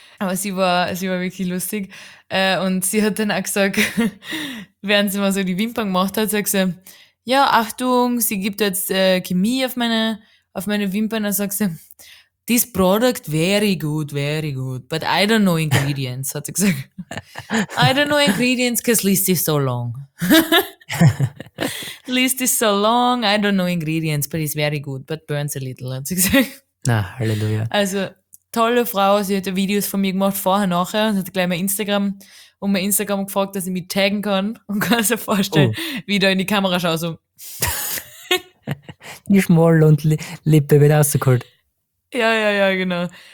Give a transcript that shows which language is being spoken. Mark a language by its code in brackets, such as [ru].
[de] Aber sie war wirklich lustig. Und sie hat dann auch gesagt, während sie mal so die Wimpern gemacht hat, hat sie gesagt, ja, Achtung, sie gibt jetzt Chemie auf meine Wimpern. Dann sagt sie, [en] this product very good. But I don't know ingredients, [de] hat sie gesagt. [en] I don't know ingredients, because list is so long. List is so long, I don't know ingredients, but it's very good, but burns a little, [de] hat sie gesagt. Na, Halleluja. Also, tolle Frau, sie hat ja Videos von mir gemacht, vorher, nachher, und hat gleich mein Instagram gefragt, dass ich mich taggen kann und kann sich vorstellen, wie ich da in die Kamera schaue, so. Die Schmoll und Lippe wird rausgeholt. Ja, genau.